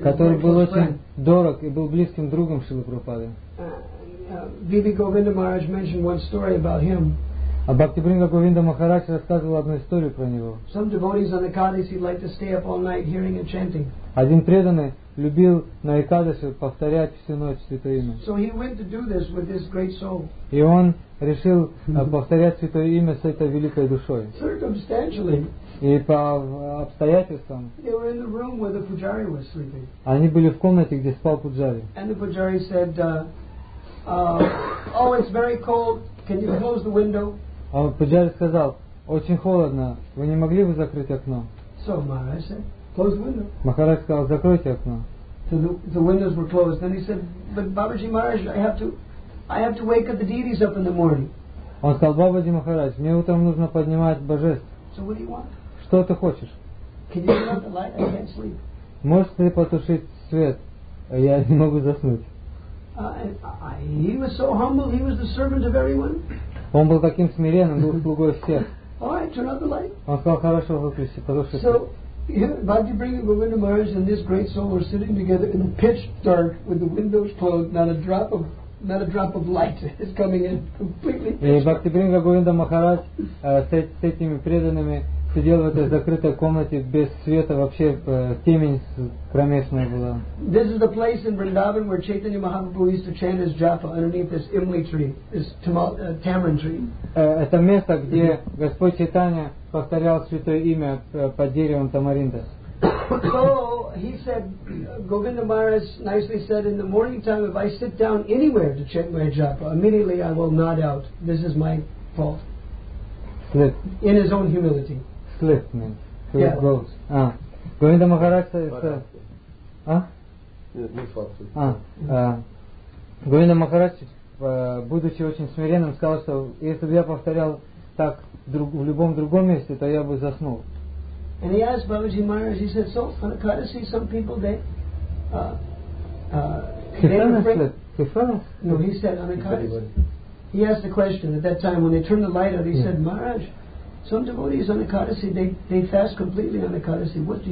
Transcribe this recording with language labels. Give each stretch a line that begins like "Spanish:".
Russian: Который был очень дорог и был близким другом Шрилы Прабхупады.
English: Bibi Govinda Maharaj mentioned one story about him.
Russian: Бхактивринда Говинда Махарадж рассказывал одну историю про него.
English: Some devotees on Ekadasi like to stay up all night hearing and chanting.
Russian: Один преданный любил на Экадасе повторять всю ночь святое имя.
English: So he went to do this with this great soul.
Russian: И он решил повторять святое имя с этой великой душой.
English: Circumstantially.
Russian: И по обстоятельствам.
English: They were in the room where the pujari was sleeping.
Russian: Они были в комнате, где спал пуджари.
English: And the pujari said, "Oh, it's very cold. Can you close the window?"
Russian: А пуджари сказал: "Очень холодно. Вы не могли бы закрыть окно?"
English: So Maharaj said, "Close the window."
Russian: Махарадж сказал: "Закройте окно."
English: So the windows were closed. Then he said, "But Babaji Maharaj, I have to wake up the deities up in the morning."
Russian: Он сказал: "Бабаджи Махарадж, мне утром нужно поднимать божеств."
English: So what do you want?
Russian: Что ты хочешь?
English: Can you turn out the light? I can't sleep.
Russian: Можешь ты потушить свет? Я не могу заснуть.
English: He was so humble. He was the servant of everyone.
Russian: Он был таким смиренным, был слугой всех.
English: All right, turn out the light.
Russian: Он сказал: "Хорошо, выключи, потуши свет."
English: So, Bhakti Vrinda Govinda Maharaj and this great soul were sitting together in the pitch dark with the windows closed. Not a drop of light is coming in. Completely.
Russian: И Бхакти Бринга Говинда Махарадж с этими преданными сидел в этой закрытой комнате без света, вообще темень кромешная была.
English: This is the place in Vrindavan where Chaitanya Mahaprabhu used to chant his japa underneath this imli tree, this tamarind tree.
Russian: Это место, где Господь Чайтанья повторял святое имя под деревом тамаринда.
English: So he said, Govinda Maharaj nicely said, in the morning time, if I sit down anywhere to chant my japa, immediately I will nod out. This is my fault. Slip. In his own humility. Slip means. So yeah. It goes. Govinda Maharaj says,
Russian: Говинда Махарадж, будучи очень смиренным, сказал, что если бы я повторял так в любом другом месте, то я бы заснул.
English: And he asked Babaji Maharaj, he said, so on Ekadasi some people he asked the question at that time when they turned the light out, said, Maharaj, some devotees on Ekadasi, they fast completely on Ekadasi.